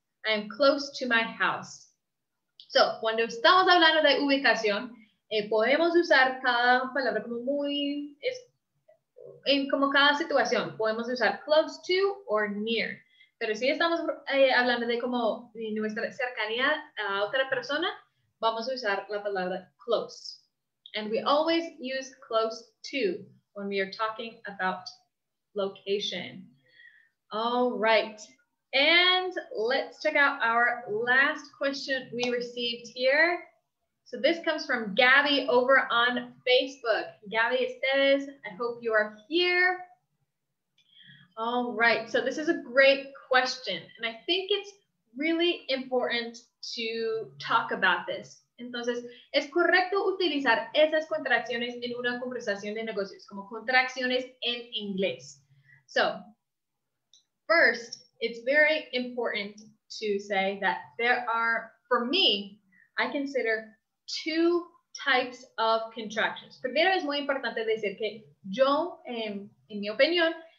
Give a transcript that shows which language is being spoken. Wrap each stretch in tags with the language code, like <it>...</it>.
<en>I am close to my house.</en> <es>So, cuando estamos hablando de ubicación, podemos usar cada palabra como muy, en como cada situación, podemos usar</es> <en>close to or near.</en> <es>Pero si estamos hablando de como de nuestra cercanía a otra persona, vamos a usar la palabra close.</es> <en>And we always use close to when we are talking about location. All right. And let's check out our last question we received here. So this comes from Gabby over on Facebook. Gabby Estevez, I hope you are here. All right. So this is a great question. And I think it's really important to talk about this.</en> <es>Entonces, ¿es correcto utilizar esas contracciones en una conversación de negocios, como contracciones en inglés?</es> <en>So, first, it's very important to say that there are, for me, I consider two types of contractions.</en> <es>Primero, es muy importante decir que yo, en mi opinión,</es>